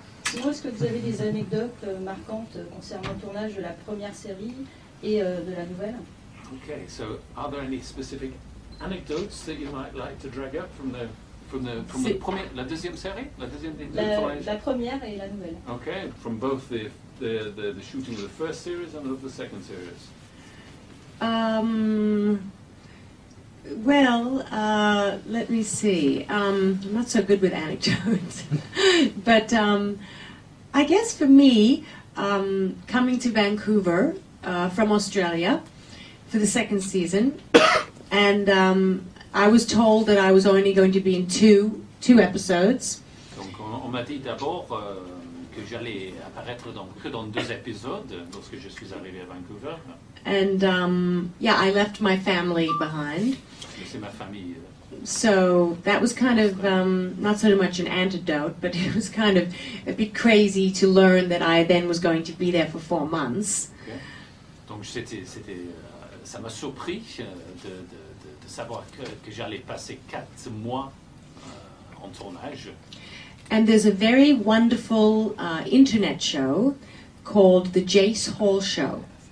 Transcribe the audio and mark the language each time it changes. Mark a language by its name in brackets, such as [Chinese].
[French] Sinon, est-ce que vous avez des anecdotes marquantes concernant le tournage de la première série et de la nouvelle? [English] Okay, so are there any specific anecdotes that you might like to drag up from the... [French] La première et la nouvelle. [English] Okay, from both the shooting of the first series and of the second series. Let me see. I'm not so good with anecdotes, but I guess for me, coming to Vancouver from Australia for the second season, and. I was told that I was only going to be in two episodes. [French] Donc on m'a dit d'abord que j'allais apparaître que dans deux épisodes lorsque je suis arrivée à Vancouver. [English] And I left my family behind. [French] C'est ma famille. [English] So that was kind of not so much an antidote, but it was kind of a bit crazy to learn that I then was going to be there for 4 months. Okay. [French] Donc c'était ça m'a surpris savoir que j'allais passer 4 mois en tournage. [English] And there's a very wonderful internet show called The Jace Hall Show.